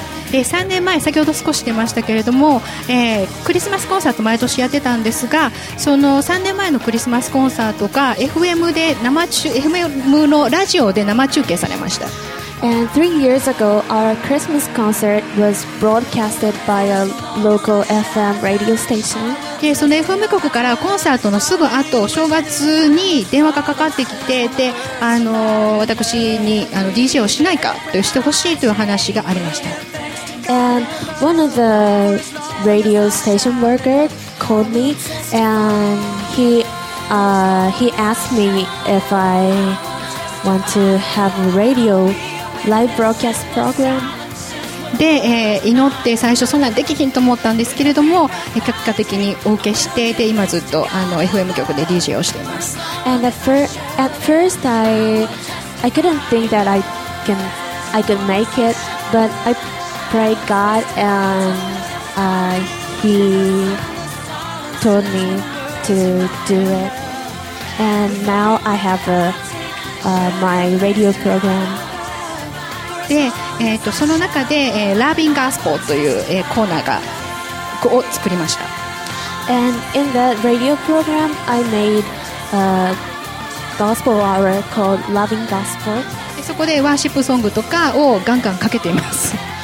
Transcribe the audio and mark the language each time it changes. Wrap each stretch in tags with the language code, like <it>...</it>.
<ja>で3年前、先ほど少し出ましたけれども、クリスマスコンサート毎年やってたんですが、その3年前のクリスマスコンサートが FM で生中、FM のラジオで生中継されました。</ja> <en>And 3 years ago, our Christmas concert was broadcasted by a local FM radio station.</en> <ja>でその FM 局からコンサートのすぐ後、正月に電話がかかってきて、で私にDJ をしないかとしてほしいという話がありました。</ja> <en>And one of the radio station workers called me, and he asked me if I want to have a radio live broadcast program.</en> <ja>で、祈って最初そんなんできひんと思ったんですけれども、結果的にお受けして、で今ずっとFM 局で DJ をしています。</ja> <en>And at first I couldn't think that I could make it, but I prayed God and he told me to do it, and now I have my radio program.</en> <ja>で、その中で、Loving Gospel という、コーナーがを作りました。</ja> <en>And in that radio program, I made Gospel Hour called Loving Gospel.</en> <ja>そこでワーシップソングとかをガンガンかけています。</ja>